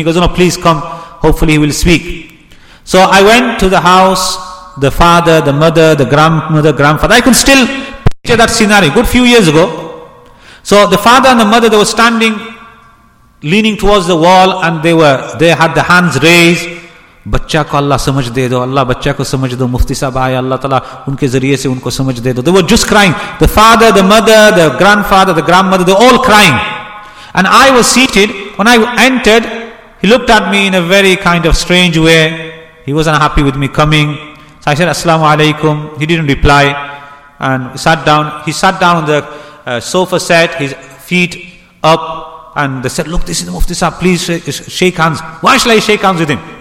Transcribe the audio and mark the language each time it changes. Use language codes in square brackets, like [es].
[en] He goes, no, please come, hopefully he will speak. So I went to the house. The father, the mother, the grandmother, grandfather. I can still picture that scenario. Good few years ago. So the father and the mother, they were standing, leaning towards the wall, and they had the hands raised. [ur] بچہ کو اللہ سمجھ دے دو۔ اللہ بچہ کو سمجھ دو۔ مفتی صاحب آئے اللہ تعالیٰ ان کے ذریعے سے ان کو سمجھ دے دو۔ [en] They were just crying. The father, the mother, the grandfather, the grandmother, they were all crying. And I was seated. When I entered, he looked at me in a very kind of strange way. He wasn't happy with me coming. So I said, Assalamu alaikum. He didn't reply and sat down. He sat down on the sofa set, his feet up, and they said, look, this is the Mufti Sahib, please shake hands. Why should I shake hands with him?